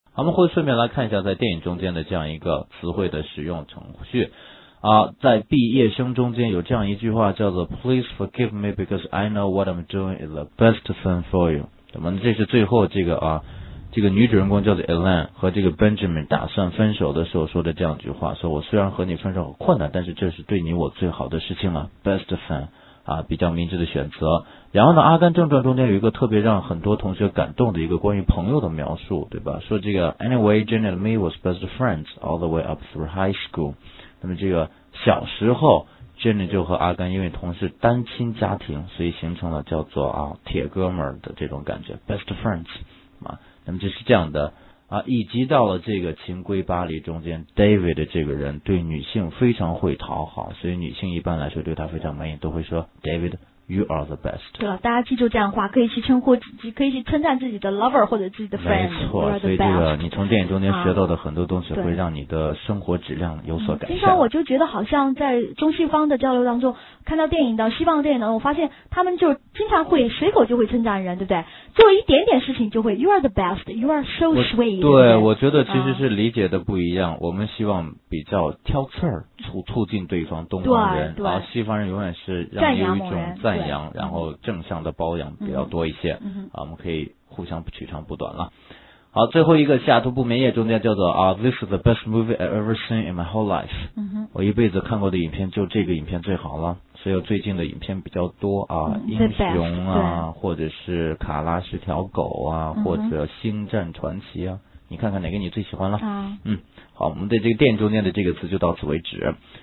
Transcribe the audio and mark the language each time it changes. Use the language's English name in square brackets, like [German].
[Chinese] 我们会顺便来看一下在电影中间的这样一个词汇的使用程序。啊，在毕业生中间有这样一句话叫做 [English] Please forgive me because I know what I'm doing is the best thing for you。 [Chinese] 我们这是最后这个啊，这个女主人公叫做 Elaine 和这个 Benjamin 打算分手的时候说的这样一句话，说我虽然和你分手很困难，但是这是对你我最好的事情了， [English] best thing [Chinese] 啊，比较明智的选择。然后呢，《阿甘正传》中间有一个特别让很多同学感动的一个关于朋友的描述，对吧？说这个 [English] Anyway, Jane and me was best friends all the way up through high school。 [Chinese] 那么这个小时候 Jane 就和阿甘因为同是单亲家庭，所以形成了叫做啊铁哥们的这种感觉， [English] best friends、 [Chinese] 啊、那么就是这样的啊。以及到了这个《情归巴黎》中间 David 这个人对女性非常会讨好，所以女性一般来说对他非常满意，都会说 [English] David you are the best。 [Chinese] 对了，大家记住这样的话，可以去称呼，可以去称赞自己的 lover 或者自己的 friend。没错，所以这个你从电影中间学到的很多东西会让你的生活质量有所改善、经常我就觉得好像在中西方的交流当中，看到电影的西方的电影当中，我发现他们就经常会随口就会称赞人，对不对？做一点点事情就会 [English] you are the best, you are so sweet。 [Chinese] 对，我觉得其实是理解的不一样、我们希望比较挑刺儿，促进对方，东方人对对，而西方人永远是让有一种赞扬，然后正向的包养比较多一些、啊、我们可以互相取长补短了。好，最后一个西雅图不眠夜中间叫做啊 [English] This is the best movie I've ever seen in my whole life、 [Chinese] 我一辈子看过的影片就这个影片最好了，所以最近的影片比较多啊、英雄啊，或者是卡拉是条狗啊、或者星战传奇啊，你看看哪个你最喜欢了、好，我们的这个电影中间的这个词就到此为止。